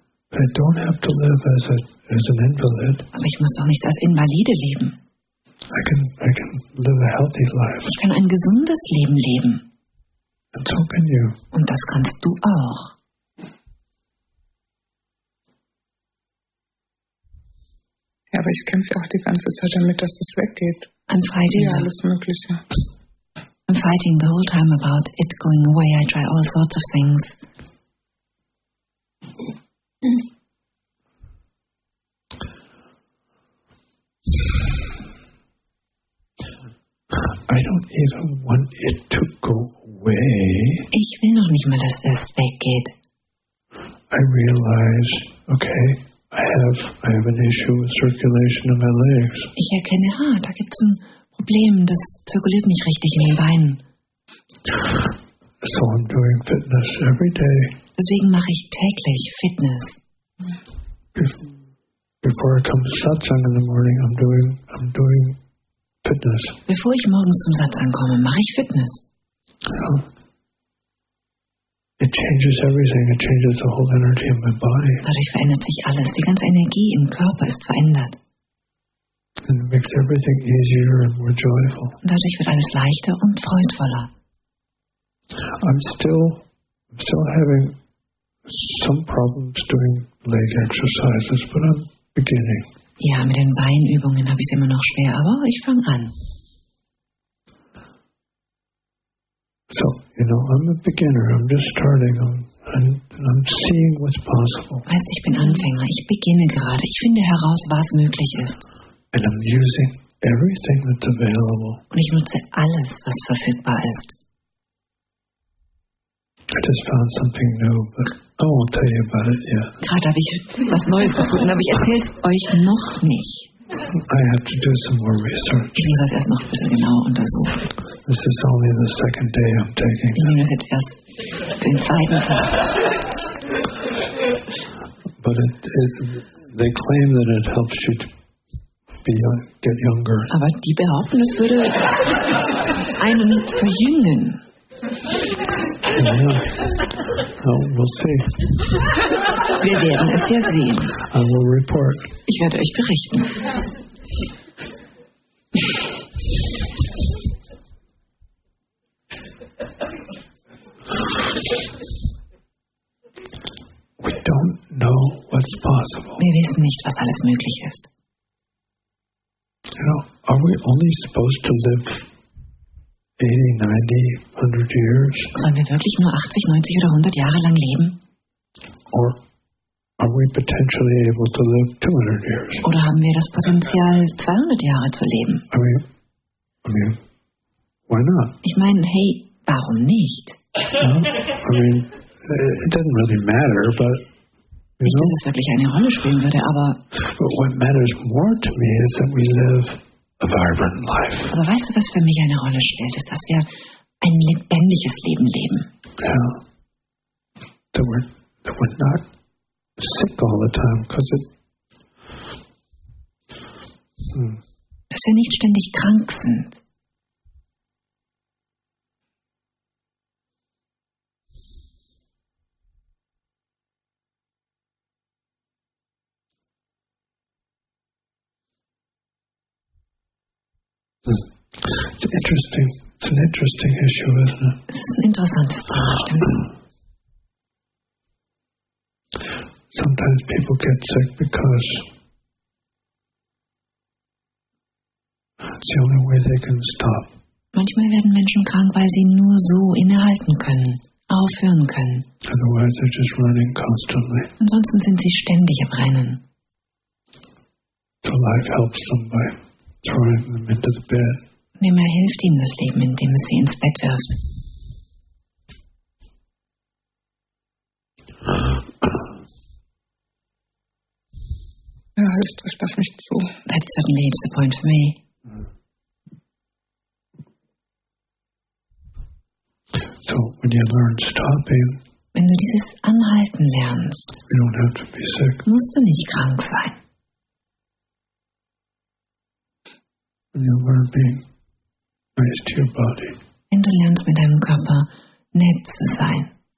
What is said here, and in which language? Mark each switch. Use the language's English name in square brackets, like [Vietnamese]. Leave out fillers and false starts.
[English] I don't have to live as an invalid. [German] Aber ich muss doch nicht als Invalide leben. [English] I can live a healthy life. [German] Ich kann ein gesundes Leben leben. [English] And so can you. [German] Und das kannst du auch. Ja, aber ich kämpfe auch die ganze Zeit damit, dass es weggeht. [English] I'm fighting. [German] Ja, alles Mögliche. [English] I'm fighting the whole time about it going away. I try all sorts of things. I don't even want it to go away. [German] Ich will noch nicht mal, dass es weggeht. [English] I realize, okay, I have an issue with circulation in my legs. [German] Ich erkenne, da gibt's ein Problem, das zirkuliert nicht richtig in den Beinen. [English] So I'm doing fitness every day. [German] Deswegen mache ich täglich Fitness. [English] Before I come to Satsang in the morning, I'm doing fitness. [German] Bevor ich morgens zum Satsang komme, mache ich Fitness. [English] Yeah. It changes everything. It changes the whole energy in my body. [German] Dadurch verändert sich alles. Die ganze Energie im Körper ist verändert. [English] And it makes everything easier and more joyful. [German] Dadurch wird alles leichter und freudvoller. [English] I'm still having some problems doing leg exercises, but I'm beginning. [German] Ja, mit den Beinübungen habe ich es immer noch schwer, aber ich fange an. [English] So, you know, I'm a beginner. I'm just starting. I'm seeing what's possible. [German] Weißt, ich bin Anfänger. Ich beginne gerade. Ich finde heraus, was möglich ist. [English] And I'm using everything that's available. [German] Und ich nutze alles, was verfügbar ist. [English] I just found something new, but I won't tell you about it yet. [German] Gerade habe ich was Neues gefunden, aber ich erzähle es euch noch nicht. [English] I have to do some more research. [German] Ich muss das erst noch ein bisschen genauer untersuchen. [English] This is only the second day I'm taking. [German] Ich nehme das jetzt erst den zweiten Tag. [English] But they claim that it helps you to get younger. [German] Aber die behaupten, es würde einen verjüngen. [English] Yeah. Well, we'll see. [German] Wir werden es ja sehen. [English] I will report. [German] Ich werde euch berichten. [English] We don't know what's possible. [German] Wir wissen nicht, was alles möglich ist. [English] You know, are we only supposed to live 80, 90, 100 years? [German] Sollen wir wirklich nur 80, 90 oder 100 Jahre lang leben? [English] Or are we potentially able to live 200 years? [German] Oder haben wir das Potenzial, 200 Jahre zu leben? [English] I mean, why not? [German] Ich meine, hey, warum nicht? [English] No? I mean, it doesn't really matter, but you [German] nicht, dass es wirklich eine Rolle spielen würde, aber. [English] But what matters more to me is that we live a vibrant life. [German] Aber weißt du, was für mich eine Rolle spielt, ist, dass wir ein lebendiges Leben leben. [English] Yeah. That we're not sick all the time, because it. [German] Dass wir nicht ständig krank sind. [English] It's an interesting issue, isn't it? [German] Es ist ein interessantes Thema, stimmt. [English] Sometimes people get sick because it's the only way they can stop. [German] Manchmal werden Menschen krank, weil sie nur so innehalten können, aufhören können. [English] Otherwise they're just running constantly. [German] Ansonsten sind sie ständig am Rennen. [English] So life helps them by throwing them into the bed. [German] Nimmer hilft ihm das Leben, indem es sie ins Bett wirft. Ja, das trifft auf mich zu. [English] That's certainly it's the point for me. So, when you learn stopping, [German] wenn du dieses Anhalten lernst, [English] you don't have to be sick. [German] Musst du nicht krank sein. [English] When you learn being nice to your body, [German] wenn du lernst, mit deinem Körper nett zu sein,